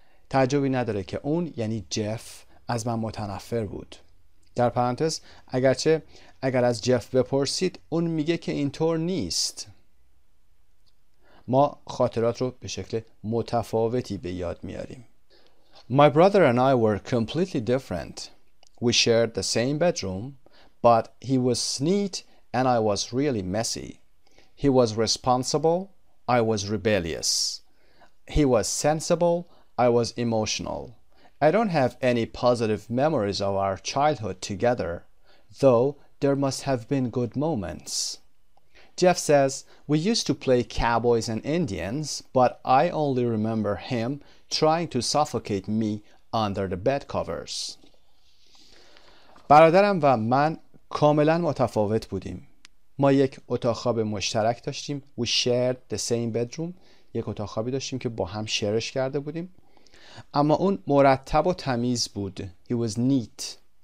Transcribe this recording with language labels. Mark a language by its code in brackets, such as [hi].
[fa] تعجبی نداره که اون، یعنی جف، از من متنفر بود. در پرانتز، اگرچه اگر از جف بپرسید اون میگه که اینطور نیست. ما خاطرات رو به شکل متفاوتی به یاد میاریم. [en] My brother and I were completely different. We shared the same bedroom, but he was neat and I was really messy. He was responsible, I was rebellious. He was sensible, I was emotional. I don't have any positive memories of our childhood together, though there must have been good moments. Jeff says, we used to play cowboys and Indians, but I only remember him trying to suffocate me under the bed covers. [fa] برادرم و من کاملا متفاوت بودیم. ما یک اتاق خواب مشترک داشتیم. [en] We shared the same bedroom. [fa] یک اتاق خوابی داشتیم که با هم شیرش کرده بودیم. اما اون مرتب و تمیز بود. [en] He was neat.